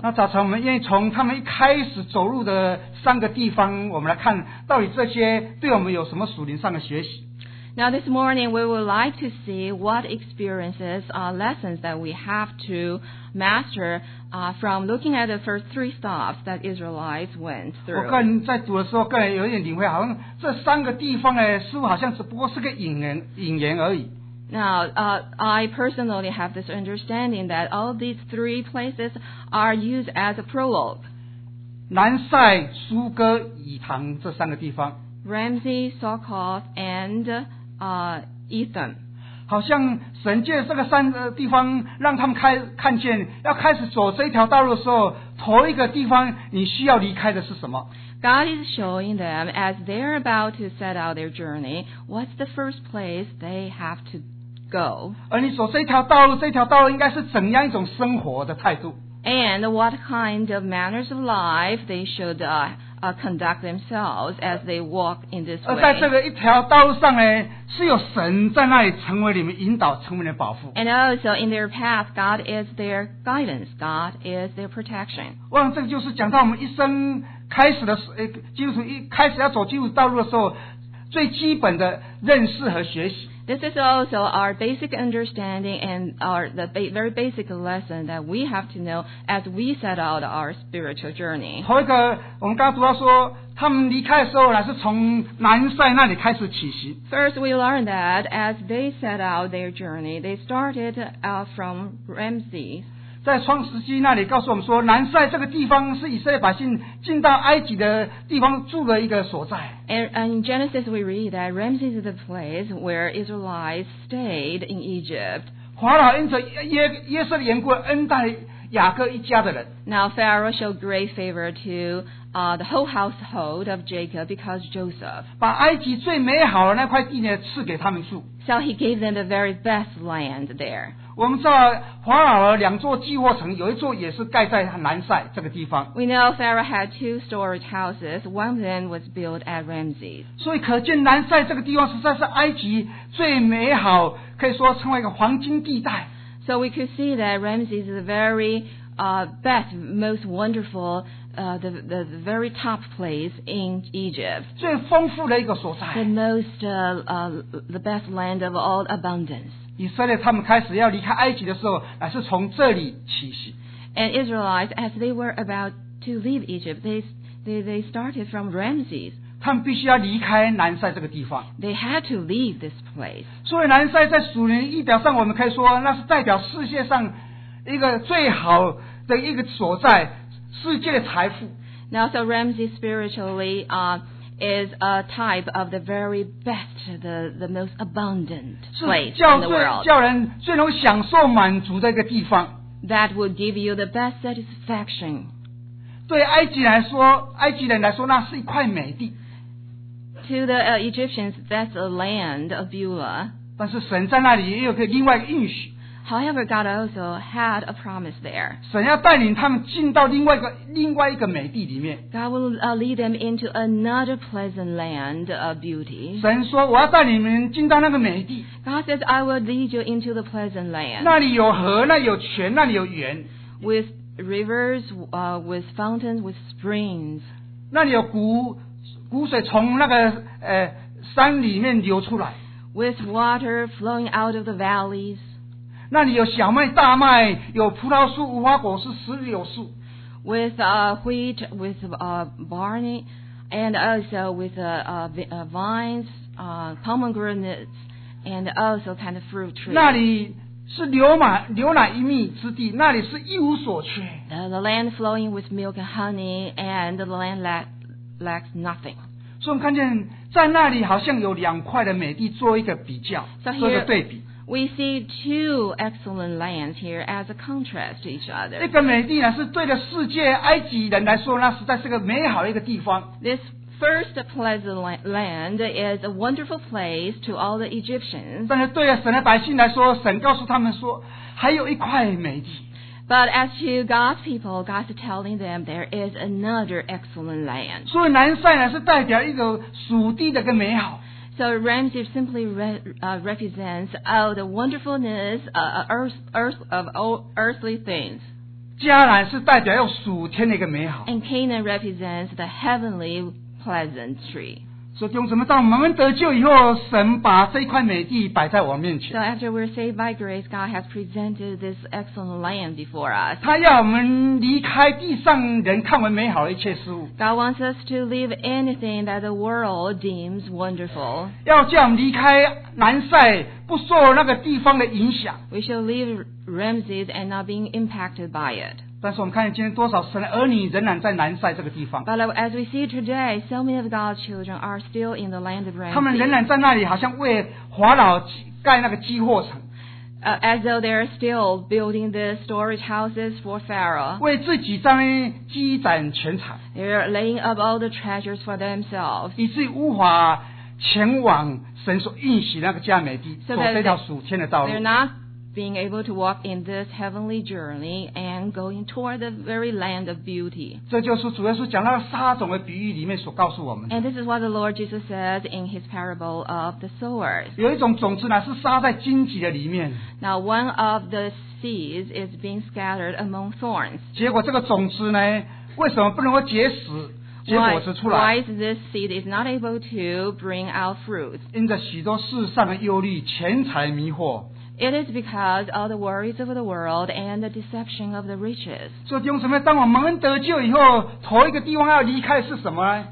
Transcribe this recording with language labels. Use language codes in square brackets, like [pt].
[zh] 那早晨我们愿意从他们一开始走入的三个地方，我们来看到底这些对我们有什么属灵上的学习。 [en] Now this morning, we would like to see what experiences are lessons that we have to master from looking at the first three stops that Israelites went through. [zh] 我个人在读的时候，个人有点领会，好像这三个地方呢，似乎好像只不过是个引言而已。 [en] Now, I personally have this understanding that all these three places are used as a prologue. [zh] 南塞、苏哥、以堂这三个地方。 [en] Ramsey, Succoth, and Etham. [zh] 好像神借这个三个地方让他们看见要开始走这条道路的时候，头一个地方你需要离开的是什么。 [en] God is showing them as they're about to set out their journey, what's the first place they have to go? [zh] 而你走这条道路，这条道路应该是怎样一种生活的态度。 [en] And what kind of manners of life they should conduct themselves as they walk in this way. [zh] 而在这个一条道路上呢，是有神在那里成为你们引导，成为你们保护。 [en] And also in their path, God is their guidance. God is their protection. [zh] 我想这个就是讲到我们一生开始的基督徒一开始要走基督道路的时候，最基本的认识和学习。 [en] This is also our basic understanding and very basic lesson that we have to know as we set out our spiritual journey. [zh] 头一个，我们刚读到说，他们离开的时候呢，是从南塞那里开始起行。 [en] First, we learn that as they set out their journey, they started from Ramsey. [zh] 在创世纪那里告诉我们说，南塞这个地方是以色列百姓进到埃及的地方住的一个所在。 [en] And in Genesis we read that Ramses is the place where Israelites stayed in Egypt. [zh] 法老因着约瑟的缘故恩待雅各一家的人。 [en] Now Pharaoh showed great favor to the whole household of Jacob because Joseph. [zh] 把埃及最美好的那块地呢赐给他们住。 [en] So he gave them the very best land there. [zh] 我们知道法老的两座寄货城，有一座也是盖在南塞这个地方。 [en] We know Pharaoh had two storage houses. One of them was built at Ramses. [zh] 所以可见南塞这个地方实在是埃及最美好，可以说成为一个黄金地带。 [en] So we could see that Ramses is the very best, most wonderful, the very top place in Egypt. [zh] 最丰富的一个所在。 [en] The most, the best land of all abundance. [zh] 以色列他们开始要离开埃及的时候，乃是从这里起行。 [en] And Israelites, as they were about to leave Egypt, they started from Ramses. [zh] 他们必须要离开南塞这个地方。 [en] They had to leave this place. [zh] 所以南塞在属灵意表上，我们可以说那是代表世界上一个最好的一个所在，世界的财富。 [en] Now, so Ramses spiritually is a type of the very best, the most abundant place in the world. [zh] 叫人最能享受满足的一个地方。 [en] That would give you the best satisfaction. [zh] 对埃及来说，埃及人来说，那是一块美地。 [en] To the Egyptians, that's a land of Beulah. [zh] 但是神在那里也有个另外一个应许。 [en] However, God also had a promise there. [zh] 神要带领他们进到另外一个美地里面。 [en] God will lead them into another pleasant land of beauty. [zh] 神说我要带领你们进到那个美地。 [en] God says, I will lead you into the pleasant land. [zh] 那里有河，那里有泉，那里有源。 [en] With rivers, with fountains, with springs. [zh] 那里有谷水从那个山里面流出来。 [en] With water flowing out of the valleys. [zh] 那里有小麦、大麦，有葡萄树、无花果树、石榴树。 [en] With wheat, with barley, and also with vines, pomegranates, and also kind of fruit trees. [zh] 那里是牛奶一蜜之地，那里是一无所缺。 [en] The land flowing with milk and honey, and the land lacks nothing. [zh] 所以我们看见在那里好像有两块的美地做一个比较，做一个对比。 [en] We see two excellent lands here as a contrast to each other. [zh] 那个美地呢，是对着世界埃及人来说，那实在是个美好的一个地方。 [en] This first pleasant land is a wonderful place to all the Egyptians. [zh] 但是对着神的百姓来说，神告诉他们说，还有一块美地。 [en] But as to God's people, God's telling them there is another excellent land. [zh] 所以南塞呢，是代表一个属地的一个美好。 [en] So Ramses simply represents the wonderfulness of earthly things. [zh] 迦南是代表要属天的一个美好。 [en] And Canaan represents the heavenly pleasantry. [zh] 所以弟兄姊妹，当我们得救以后，神把这块美地摆在我们面前。 [en] So after we're saved by grace, God has presented this excellent land before us. [zh] 他要我们离开地上人看为美好的一切事物。 [en] God wants us to leave anything that the world deems wonderful. [zh] 要叫我们离开南塞，不受那个地方的影响。 [en] We shall leave Ramses and not being impacted by it. [zh] 但是我们看见今天多少神的儿女仍然在南塞这个地方。 [en] But as we see today, so many of God's children are still in the land of Ramses. [zh] 他们仍然在那里，好像为法老盖那个积货城。 [en] As though they are still building the storage houses for Pharaoh. [zh] 为自己在那边积攒钱财。 [en] They are laying up all the treasures for themselves. [zh] 以至于无法前往神所应许那个迦美地，走这条属天的道路。 [en] Being able to walk in this heavenly journey and going toward the very land of beauty. [zh] 这就是主耶稣讲到撒种的比喻里面所告诉我们。 [en] And this is what the Lord Jesus says in his parable of the sowers. [zh] 有一种种子呢，是撒在荆棘的里面。 [en] Now one of the seeds is being scattered among thorns. [zh] 结果这个种子呢，为什么不能够结实？ [en] Why is this seed is not able to bring out fruit? [zh] 因着许多世上的忧虑，钱财迷惑。 [en] It is because of the worries of the world and the deception of the riches. [zh] 所以弟兄姊妹，当我蒙恩得救以后，头一个地方要离开是什么呢？